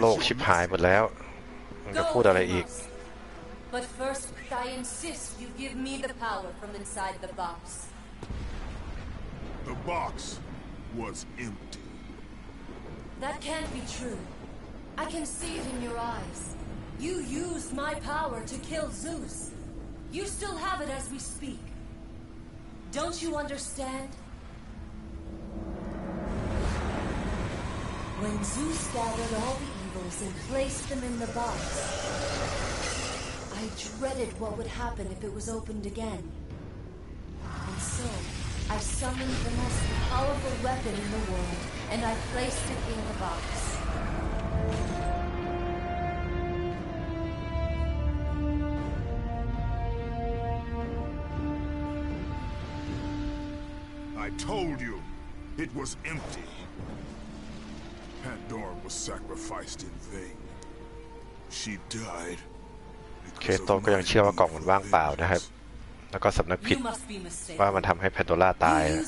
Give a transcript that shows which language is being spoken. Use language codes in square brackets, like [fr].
[th] โลกชิบหายหมดแล้วจะพูดอะไรอีก [en] But first, I insist you give me the power from inside the box. The box was empty. That can't be true. I can see it in your eyes. You used my power to kill Zeus. You still have it as we speak. Don't you understand? When Zeus gathered all the evils and placed them in the box, I dreaded what would happen if it was opened again. And so, I summoned the most powerful weapon in the world, and I placed it in the box. I told you, it was empty. Pandora was sacrificed in vain. She died. [th] Kato ก็ยังเชื่อว่ากล่องมันว่างเปล่านะครับแล้วก็สำนึกผิดว่ามันทำให้ Pandora ตาย